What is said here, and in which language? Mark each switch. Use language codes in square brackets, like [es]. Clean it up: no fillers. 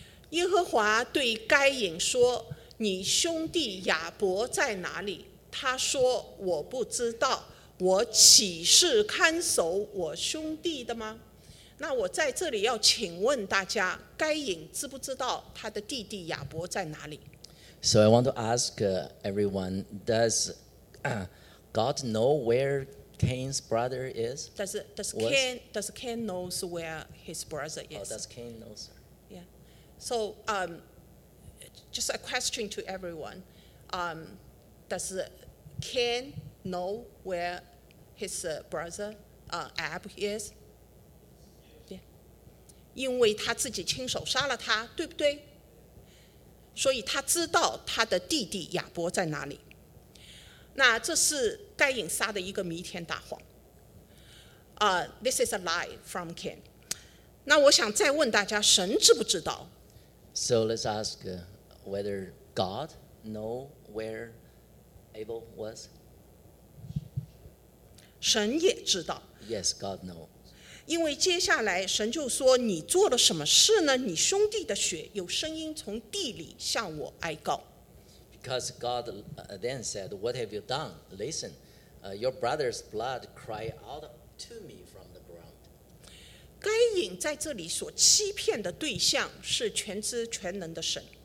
[zh] 耶和华对该隐说你兄弟亚伯在哪里？他说：“我不知道，我岂是看守我兄弟的吗？” 那我在这里要请问大家，该隐知不知道他的弟弟亚伯在哪里 [en] ？So I want to ask everyone: Does God know where Cain's brother is? Does Cain knows where his brother is? Oh, does Cain know, sir? Yeah. So Just a question to everyone. Does Cain know where his brother Ab is? Yeah. [zh] 因为他自己亲手杀了他，对不对？所以他知道他的弟弟亚伯在哪里。那这是该隐杀的一个弥天大谎。 [en] This is a lie from Cain. [zh] 那我想再问大家，神知不知道？ [en] So let's ask. Whether God know where Abel was? [zh] 神也知道。 [en] Yes, God know. [zh] 因为接下来神就说：“你做了什么事呢？你兄弟的血有声音从地里向我哀告。” [en] Because God then said, "What have you done? Listen, your brother's blood cry out to me from the ground." [zh] 该隐在这里所欺骗的对象是全知全能的神。